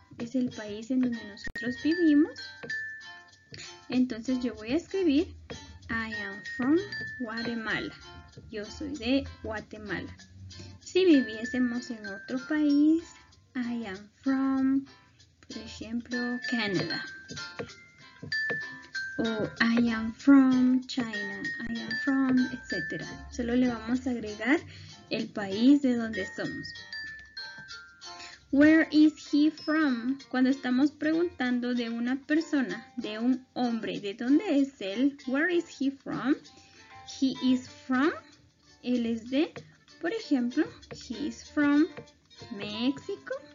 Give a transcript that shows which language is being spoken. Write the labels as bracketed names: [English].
[Spanish] Es el país en donde nosotros vivimos. Entonces yo voy a escribir [English] I am from Guatemala. [Spanish] Yo soy de Guatemala. Si viviésemos en otro país, [English] I am from, [Spanish] por ejemplo, Canadá. [English] O I am from China, I am from, etc. [Spanish] Solo le vamos a agregar el país de donde somos. [English] Where is he from? [Spanish] Cuando estamos preguntando de una persona, de un hombre, ¿de dónde es él? [English] Where is he from? He is from, [Spanish] él es de, por ejemplo, [English] he is from México.